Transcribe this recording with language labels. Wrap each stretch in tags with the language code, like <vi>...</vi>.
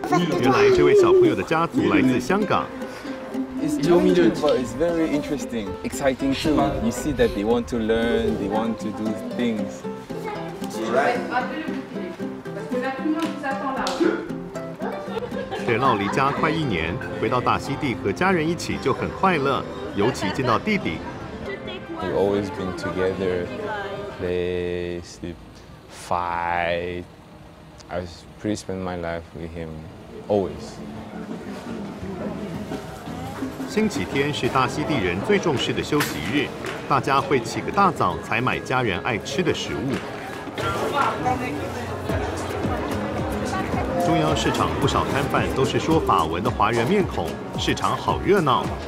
<zh>你好。原来这位小朋友的家族来自香港。</zh> <en>It's very interesting, exciting too. You see that they want to learn, they want to do things. Right.</en> <zh>老离家快一年，回到大溪地和家人一起就很快乐，尤其见到弟弟。</zh> <en>We've always been together. Play, sleep, fight. I pretty spend my life with him, always.</en> <zh>星期天是大溪地人最重视的休息日，大家会起个大早采买家人爱吃的食物。中央市场不少摊贩都是说法文的华人面孔，市场好热闹。</zh>